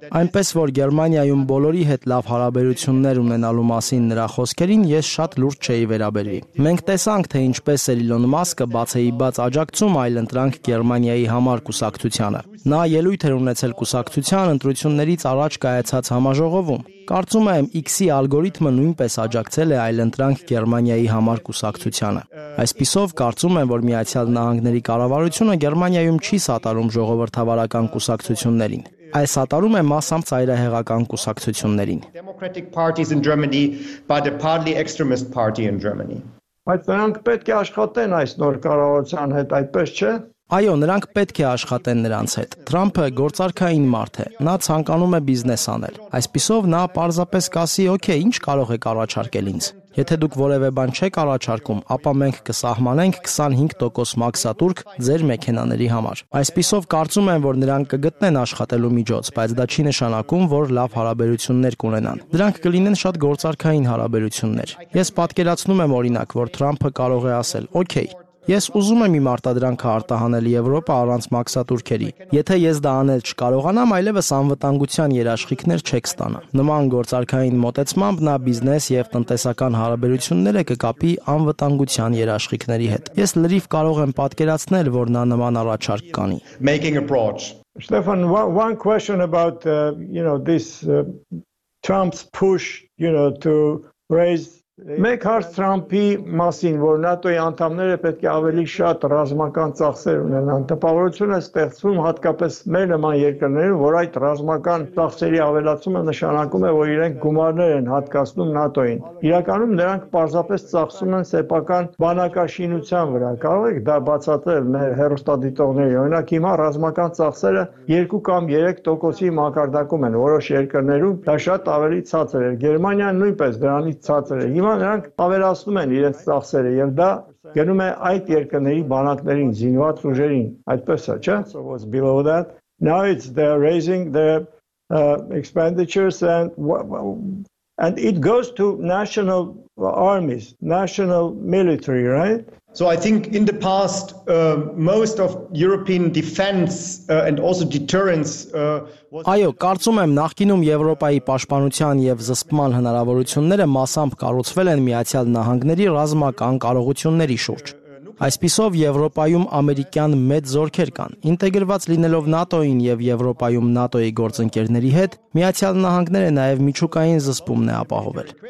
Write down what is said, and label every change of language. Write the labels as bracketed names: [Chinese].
[Armenian] Այնպես որ Գերմանիայում բոլորի հետ լավ հարաբերություններ ունենալու մասին նրա խոսքերին ես շատ լուրջ չէի վերաբերվի։ Մենք տեսանք, թե ինչպես է Իլոն Մասկը բացեի բաց աջակցում այլ ընտրանք Գերմանիայի համար կուսակցությանը։ Նա ելույթ էր ունեցել կուսակցության ընտրություններից առաջ կայացած համաժողովում։ Կարծում եմ, X-ի ալգորիթմը նույնպես աջակցել է այլ ընտրանք Գերմանիայի համար կուսակցությանը։ Այսպիսով կարծում եմ, որ Միացյալ Նահանգների կառավարությունը Գերմանիայում չի սատարում ժողովրդավարական կուսակցություններին։ Այս սատարում է massamp ծայրահեղական կուսակցություններին։ [English] Democratic parties in Germany, but the partly extremist party in Germany. [Armenian] Բայց նրանք պետք է աշխատեն այս նոր կառավարության հետ, այդպես չէ։ Այո, նրանք պետք է աշխատեն նրանց հետ։ Թրամփը գործարքային մարդ է, նա ցանկանում է բիզնես անել։ Այսպիսով նա պարզապես կասի, օքեյ, ինչ կարող եք առաջարկել ինձ։ Եթե դուք որևէ բան չեք առաջարկում, ապա մենք կսահմանենք 25% մաքսատուրք ձեր մեքենաների համար։ Այսպիսով կարծում եմ, որ նրանք կգտնեն աշխատելու միջոց, բայց դա չի նշանակում, որ լավ հարաբերություններ կունենան։ Դրանք կլինեն շատ գործարքային հարաբերություններ։ Ես պատկերացնում եմ օրինակ, որ Թրամփը կարող է ասել, օքեյ, ես ուզում եմ իմ արտադրանքը արտահանել Եվրոպա առանց մաքսատուրքերի։ Եթե ես դա անել չկարողանամ, այլևս անվտանգության երաշխիքներ չեք ստանա։ Նման գործարքային մոտեցմամբ նա բիզնես և տնտեսական հարաբերությունները կկապի անվտանգության երաշխիքների հետ։ Ես լրիվ կարող եմ պատկերացնել, որ նա նման առաջարկ կանի։ [English] Stefan, one question about you know this Trump's push, you know, to raise [Armenian] Մեկ հարց Թրամփի մասին, որ ՆԱՏՕ-ի անդամները պետք է ավելի շատ ռազմական ծախսեր ունենան։ Տպավորություն է ստեղծվում հատկապես մեր նման երկրներում, որ այդ ռազմական ծախսերի ավելացումը նշանակում է, որ իրենք գումարներ են հատկացնում ՆԱՏՕ-ին։ Իրականում նրանք պարզապես ծախսում են սեփական բանակաշինության վրա։ Կարո՞ղ եք դա բացատրել մեր հերոստատիտողների։ Օրինակ հիմա ռազմական ծախսերը 2 կամ 3%-ի մակարդակում են որոշ երկրներում, դա շատ ավելի ցածր է։ Գերմանիան նույնպես դրանից ցածր է։ Հիմա նրանք ավելացնում են իրենց ծախսերը եւ դա գնում է այդ երկրների բանակներին, զինված ուժերին, այդպես է, չէ՞։ [English] So what's below that? Now it's they're raising their expenditures and it goes to national armies, national military, right? So I think in the past most of European defense and also deterrence [Armenian] was Այո, կարծում եմ նախկինում Եվրոպայի պաշտպանության եւ զսպման հնարավորությունները massamp կառուցվել են Միացյալ Նահանգների ռազմական կարողությունների շուրջ։ Այսպիսով Եվրոպայում ամերիկյան մեծ զորքեր կան, ինտեգրված լինելով ՆԱՏՕ-ին եւ Եվրոպայում ՆԱՏՕ-ի գործընկերների հետ, Միացյալ Նահանգները նաեւ միջուկային զսպումն է ապահովել։